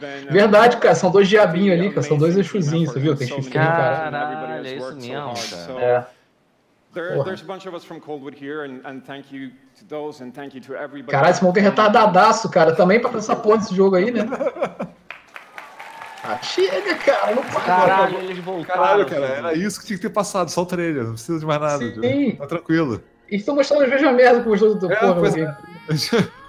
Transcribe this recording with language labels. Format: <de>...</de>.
<pt>Verdade, cara, são dois diabinhos ali, cara, são dois exuzinhos, você viu? Tem que ficar caralho, é isso mesmo, cara.</pt> <en>There's a bunch of us from Coldwood here and thank you to those and thank you to everybody.</en> <pt>Caralho, esse maluco é retardadaço, cara, também pra passar porra desse jogo aí, né? Chega, cara, não pode. Caralho, eles voltaram. Caralho, cara, era isso que tinha que ter passado, só o trailer, não precisa de mais nada. Sim. Tipo, tá tranquilo. E estão mostrando as mesmas merda que mostrou do teu porra aqui.</pt>